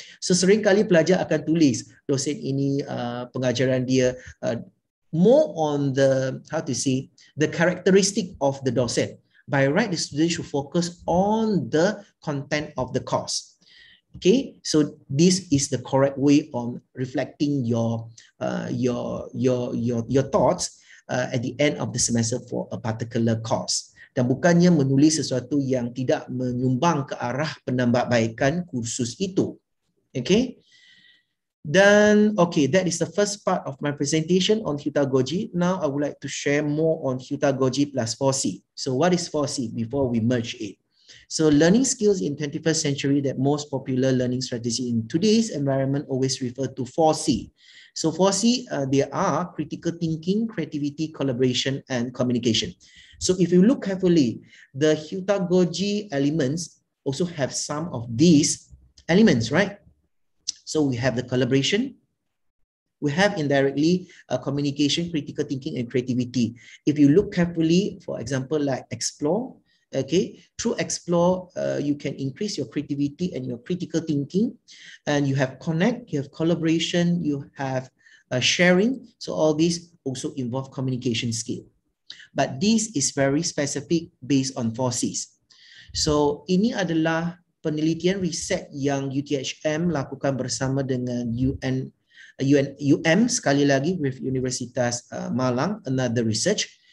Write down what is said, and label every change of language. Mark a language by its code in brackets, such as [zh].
[ms] So seringkali pelajar akan tulis dosen ini pengajaran dia [en] more on the characteristic of the docent. by right, the student should focus on the content of the course. Okay, so this is the correct way on reflecting your thoughts at the end of the semester for a particular course. [ms] Dan bukannya menulis sesuatu yang tidak menyumbang ke arah penambahbaikan kursus itu. [en] Okay. Then, okay, that is the first part of my presentation on Hyutagogi. Now, I would like to share more on Hyutagogi plus 4C. So, what is 4C before we merge it? So, learning skills in 21st century, that most popular learning strategy in today's environment always refer to 4C. So, 4C, there are critical thinking, creativity, collaboration, and communication. So, if you look carefully, the Hyutagogi elements also have some of these elements, right? So we have the collaboration, we have indirectly communication, critical thinking, and creativity. If you look carefully, for example, like explore, okay, through explore, you can increase your creativity and your critical thinking, and you have connect, you have collaboration, you have sharing. So all these also involve communication skill. But this is very specific based on 4Cs. [ms] So ini adalah penelitian riset yang UTHM lakukan bersama dengan UM sekali lagi with Universitas Malang, [en] another research.